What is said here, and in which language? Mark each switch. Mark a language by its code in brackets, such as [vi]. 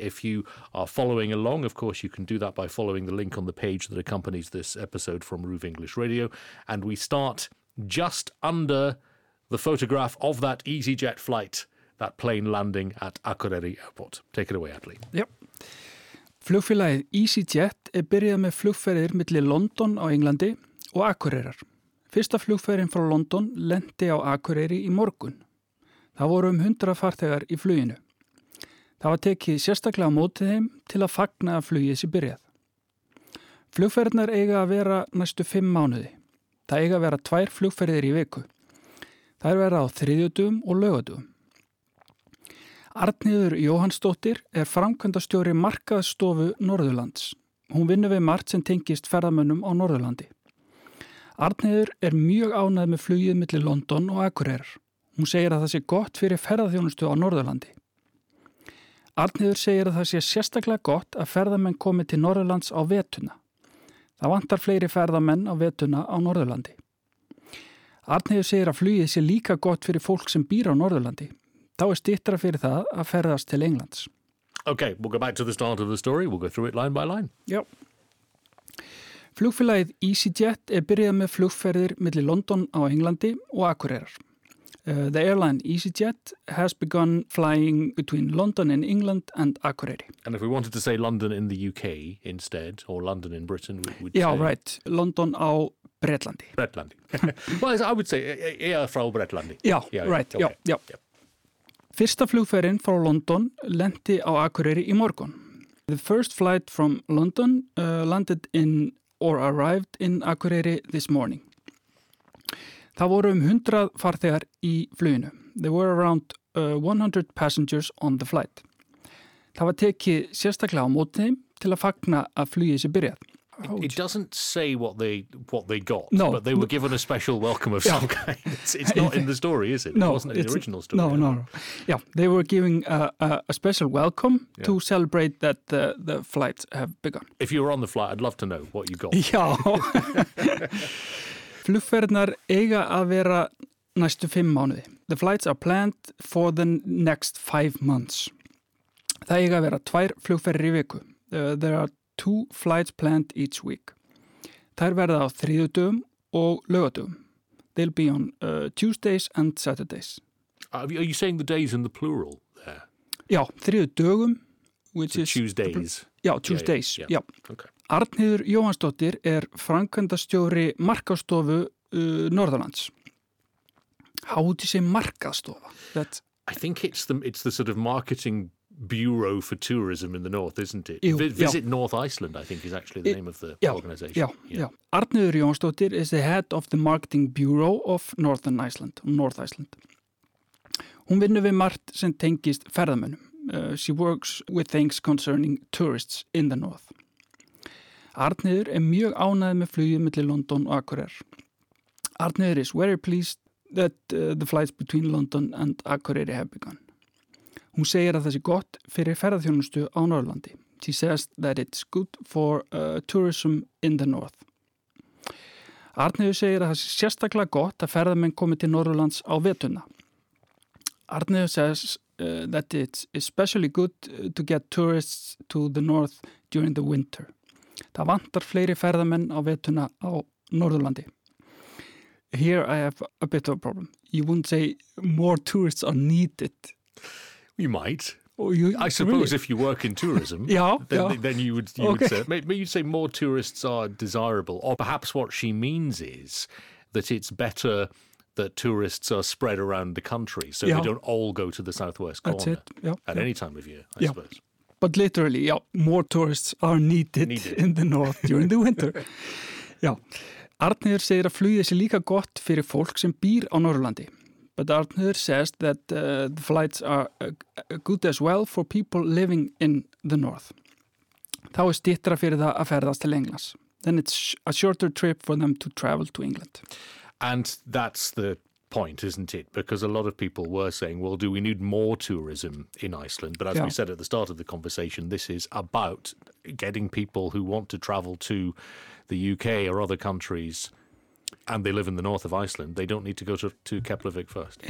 [en] If you are following along, of course, you can do that by following the link on the page that accompanies this episode from RÚV English Radio. And we start just under the photograph of that EasyJet flight, that plane landing at AKUREYRI Airport. Take it away, Atli. Yep. [is] Flugfélagið EasyJet byrjað með flugferðir milli London á Englandi og AKUREYRAR. Fyrsta flugferðin frá London lenti á AKUREYRI í morgun. Það voru 100 farþegar í fluginu. Það var tekið sérstaklega á móti þeim til að fagna að flugið sé byrjað. Flugferðnar eiga að vera næstu 5 mánuði. Það eiga að vera 2 flugferðir í viku. Það er vera á þriðjudögum og laugardögum. Arnheiður Jóhannsdóttir framkvæmdastjóri markaðsstofu Norðurlands. Hún vinnur við margt sem tengist ferðamönnum á Norðurlandi. Arnheiður mjög ánægð með flugið milli London og AKUREYRAR. Hún segir að það sé gott fyrir ferðaþjónustu á Norðurlandi. Arnheiður segir að það sé sérstaklega gott að ferðamenn komi til Norðurlands á vetuna. Það vantar fleiri ferðamenn á vetuna á Norðurlandi. Arnheiður segir að flugið sé líka gott fyrir fólk sem býr á Norðurlandi. Þá styttra fyrir það að ferðast til Englands. [en] Okay, we'll go back to the start of the story. We'll go through it line by line. Yep. [is] Flugfélagið EasyJet byrjað með flugferðir milli London á Englandi og AKUREYRAR. [en] The airline EasyJet has begun flying between London in England and AKUREYRI. And if we wanted to say London in the UK instead, or London in Britain, we would say... Right. [is] London á Bretlandi. [en] Bretlandi. Well, I would say [is] frá Bretlandi. [en] Right. Okay. [is] Fyrsta flugferðin frá London lenti á AKUREYRI í morgun. [en] The first flight from London landed in or arrived in AKUREYRI this morning. [is] Það voru 100 farþegar í fluginu. [en] There were around 100 passengers on the flight. [is] Það var tekið sérstaklega á móti þeim til að fagna að flugið sé byrjað. [en] It doesn't say what they got, no, but they were given a special welcome of some kind. It's not in the story, is it? No, it wasn't in the original story. No. Yeah, they were given a special welcome to celebrate that the flights have begun. If you were on the flight, I'd love to know what you got. Yeah. [is] Flugferðnar eiga að vera næstu 5 mánuði. [en] The flights are planned for the next 5 months. [is] Það eiga að vera 2 flugferðir í viku. [en] There are 2 flights planned each week. [is] Þær verða á þriðjudögum og laugardögum. [en] They'll be on Tuesdays and Saturdays. Are you saying the days in the plural there? [is] Já, þriðjudögum, [en] which so is... Tuesdays. Tuesdays, Okay. [is] Arnheiður Jóhannsdóttir framkvæmdastjóri markaðstofu Norðurlands. [en] How would you say markaðstofa? I think it's the sort of marketing bureau for tourism in the north, isn't it? North Iceland, I think, is actually the name of the organization. Arnheiður Jónsdóttir is the head of the marketing bureau of Northern Iceland, North Iceland. [is] Hún vinnur við margt sem tengist ferðamönnum. [en] She works with things concerning tourists in the north. [is] Arnheiður mjög ánægð með flugið milli London og AKUREYRAR. [en] Arnheiður is very pleased that the flights between London and AKUREYRI have begun. [is] Hún segir að það sé gott fyrir ferðaþjónustu á Norðurlandi. [en] She says that it's good for tourism in the north. [is] Arnheiður segir að það sé sérstaklega gott að ferðamenn komi til Norðurlands á vetuna. [en] Arnir says that it's especially good to get tourists to the north during the winter. [is] Það vantar fleiri ferðamenn á vetuna á Norðurlandi. [en] Here I have a bit of a problem. You wouldn't say more tourists are needed. You might. I suppose really? If you work in tourism, then you would say more tourists are desirable. Or perhaps what she means is that it's better that tourists are spread around the country so they don't all go to the southwest corner at any time of year, I suppose. But literally, more tourists are needed in the north during the winter. [is] Arnheiður segir að flugið sé líka gott fyrir fólk sem býr á Norðurlandi. [en] But Arnheiður says that the flights are good as well for people living in the north. [is] Þá styttra fyrir það að ferðast til Englands. [en] Then it's a shorter trip for them to travel to England. And that's the point, isn't it? Because a lot of people were saying, well, do we need more tourism in Iceland? But as we said at the start of the conversation, this is about getting people who want to travel to the UK or other countries, and they live in the north of Iceland, they don't need to go to Keflavik first.